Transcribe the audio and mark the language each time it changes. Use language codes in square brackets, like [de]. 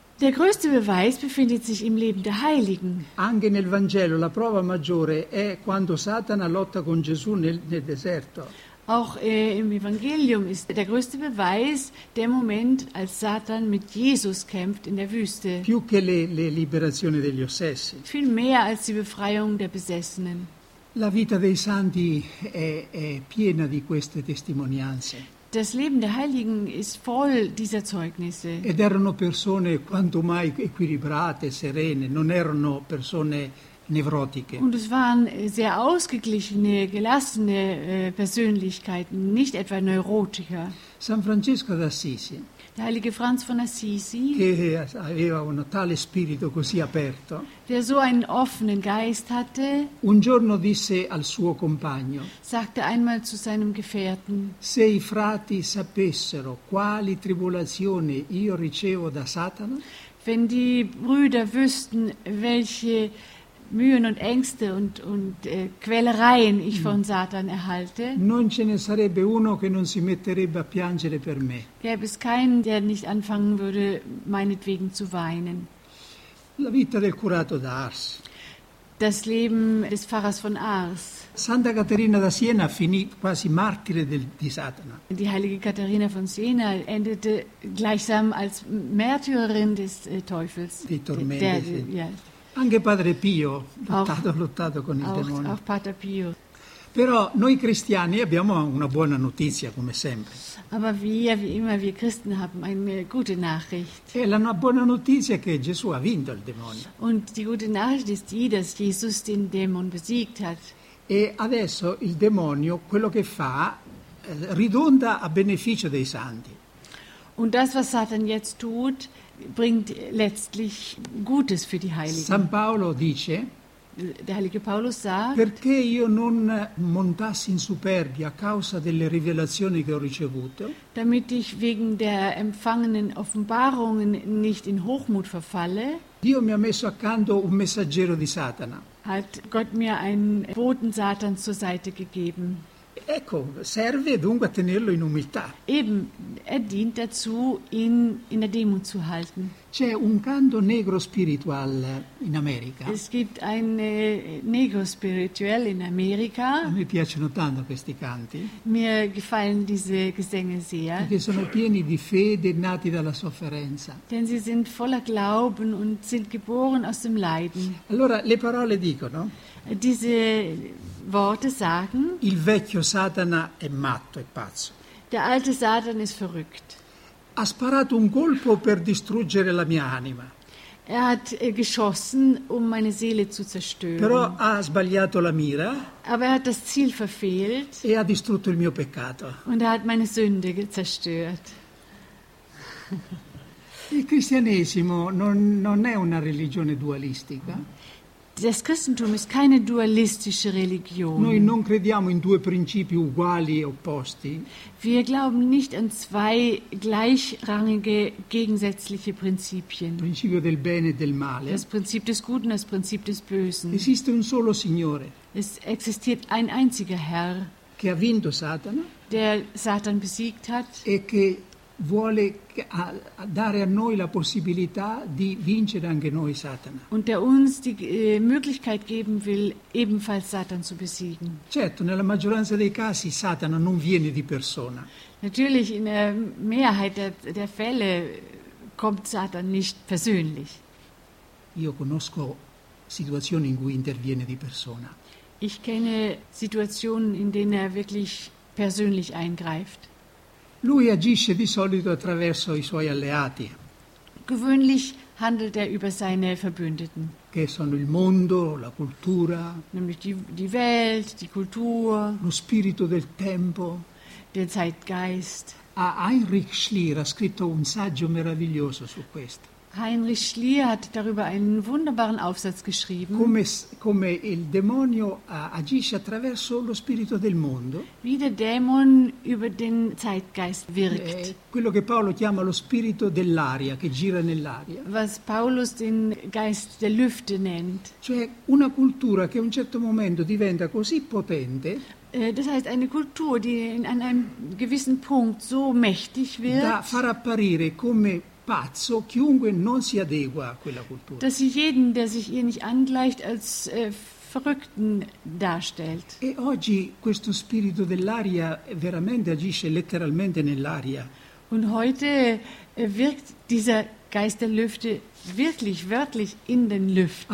[de] Der größte Beweis befindet sich im Leben der Heiligen. [it] Anche nel Vangelo la prova maggiore è quando Satana lotta con Gesù nel deserto. [de] Auch im Evangelium ist der größte Beweis der Moment, als Satan mit Jesus kämpft in der Wüste. [it] Più che le liberazioni degli ossessi. [de] Viel mehr als die Befreiung der Besessenen. [it] La vita dei santi è piena di queste testimonianze. [de] Das Leben der Heiligen ist voll dieser Zeugnisse. [it] Ed erano persone quanto mai equilibrate, serene, non erano persone nevrotiche. [de] Und es waren sehr ausgeglichene, gelassene Persönlichkeiten, nicht etwa Neurotiker. [it] San Francesco d'Assisi. [de] Der heilige Franz von Assisi. [it] Che aveva un tale spirito così aperto. [de] Der so einen offenen Geist hatte. [it] Un giorno disse al suo compagno. [de] Sagte einmal zu seinem Gefährten. [it] Se i frati sapessero quali tribolazioni io ricevo da Satana. [de] Wenn die Brüder wüssten, welche Mühen und Ängste und Quälereien ich von Satan erhalte. [it] Non ce ne sarebbe uno che non si metterebbe a piangere per me. [de] Gäbe es keinen, der nicht anfangen würde, meinetwegen zu weinen. [it] La vita del curato d'Ars. [de] Das Leben des Pfarrers von Ars. [it] Santa Caterina da Siena finì quasi martire di Satana. [de] Die heilige Katharina von Siena endete gleichsam als Märtyrerin des Teufels. Die Tormente. [it] Anche Padre Pio lottato con il demonio. [de] Auch Pater Pio. [it] Però noi cristiani abbiamo una buona notizia, come sempre. [de] Aber wie immer, wir Christen haben eine gute Nachricht. [it] E la buona notizia è che Gesù ha vinto il demonio. [de] Und die gute Nachricht ist die, dass Jesus den Dämon besiegt hat. [it] E adesso il demonio, quello che fa, ridonda a beneficio dei santi. [de] Und das, was Satan jetzt tut, bringt letztlich Gutes für die Heiligen. [it] San Paolo dice, [de] der heilige Paulus sagt, [it] perché io non montassi in superbia a causa delle rivelazioni che ho ricevuto, [de] damit ich wegen der empfangenen Offenbarungen nicht in Hochmut verfalle, [it] Dio mi ha messo accanto un messaggero di Satana. [de] Hat Gott mir einen Boten Satans zur Seite gegeben. [it] Ecco, serve dunque a tenerlo in umiltà. [de] Eben, er dient dazu, ihn in der Demut zu halten. [it] C'è un canto negro spiritual in America. [de] Es gibt ein negro spirituell in America. [it] A me piacciono tanto questi canti. [de] Mir gefallen diese Gesänge sehr. [it] Perché sono pieni di fede nati dalla sofferenza. [de] Denn sie sind voller Glauben und sind geboren aus dem Leiden. [it] Allora, le parole dicono. [de] Diese Worte sagen. [it] Il vecchio Satana è matto, è pazzo. [de] Der alte Satan ist verrückt. [it] Ha sparato un colpo per distruggere la mia anima. [de] Er hat geschossen, um meine Seele zu zerstören. [it] Però ha sbagliato la mira. [de] Aber er hat das Ziel verfehlt. [it] E ha distrutto il mio peccato. [de] Und er hat meine Sünde zerstört. [it] Il cristianesimo non è una religione dualistica. [de] Das Christentum ist keine dualistische Religion. [it] Noi non crediamo in due principi uguali e opposti. [de] Wir glauben nicht an zwei gleichrangige, gegensätzliche Prinzipien. [it] Il principio del bene e del male. [de] Das Prinzip des Guten, das Prinzip des Bösen. [it] Esiste un solo Signore. [de] Es existiert ein einziger Herr. [it] Che ha vinto Satana. [de] Der Satan besiegt hat. [it] E che vuole dare a noi la possibilità di vincere anche noi Satana. [de] Und der uns die Möglichkeit geben will, ebenfalls Satan zu besiegen. [it] Certo, nella maggioranza dei casi Satana non viene di persona. [de] Natürlich, in der Mehrheit der Fälle kommt Satan nicht persönlich. [it] Io conosco situazioni in cui interviene di persona. [de] Ich kenne Situationen, in denen wirklich persönlich eingreift. [it] Lui agisce di solito attraverso i suoi alleati. [de] Gewöhnlich handelt über seine Verbündeten. [it] Che sono il mondo, la cultura. [de] Nämlich die Welt, die Kultur. [it] Lo spirito del tempo. [de] Der Zeitgeist. [it] Heinrich Schlier ha scritto un saggio meraviglioso su questo. [de] Heinrich Schlier hat darüber einen wunderbaren Aufsatz geschrieben. [it] Come il demonio agisce attraverso lo spirito del mondo. [de] Wie der Dämon über den Zeitgeist wirkt. [it] Quello che Paolo chiama lo spirito dell'aria, che gira nell'aria. [de] Was Paulus den Geist der Lüfte nennt. [it] Cioè una cultura che a un certo momento diventa così potente. [de] Das heißt, eine Kultur, die an einem gewissen Punkt so mächtig wird. [it] Da far apparire come pazzo chiunque non si adegua a quella cultura. [de] Dass sie jeden, der sich ihr nicht angleicht, als Verrückten darstellt. [it] E oggi questo spirito dell'aria veramente agisce letteralmente nell'aria. [de] Und heute wirkt dieser Geist der Lüfte wirklich wörtlich in den Lüften.